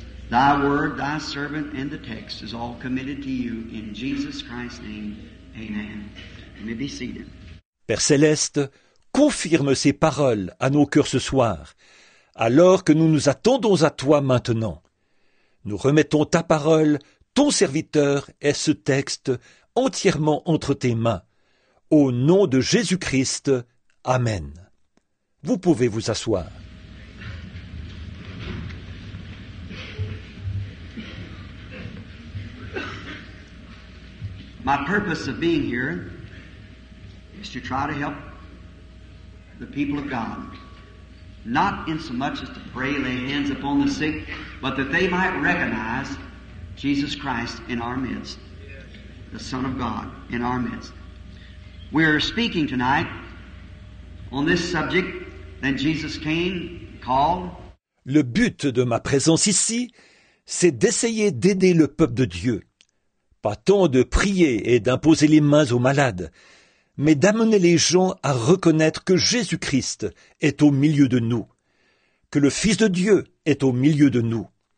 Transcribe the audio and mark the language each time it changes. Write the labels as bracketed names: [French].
[English] Thy word, Thy servant, and the text is all committed to You, in Jesus Christ's name, Amen. You may be seated. [French] Père Céleste, confirme ces paroles à nos cœurs ce soir, alors que nous nous attendons à toi maintenant. Nous remettons ta parole, ton serviteur et ce texte entièrement entre tes mains. Au nom de Jésus-Christ, Amen. Vous pouvez vous asseoir. [English] My purpose of being here is to try to help the people of God. Not in so much as to pray, lay hands upon the sick, but that they might recognize Jesus Christ in our midst, the Son of God in our midst. We are speaking tonight on this subject, then Jesus came, called. [French] Le but de ma présence ici, c'est d'essayer d'aider le peuple de Dieu. Pas tant de prier et d'imposer les mains aux malades, mais d'amener les gens à reconnaître que Jésus-Christ est au milieu de nous, que le Fils de Dieu est au milieu de nous.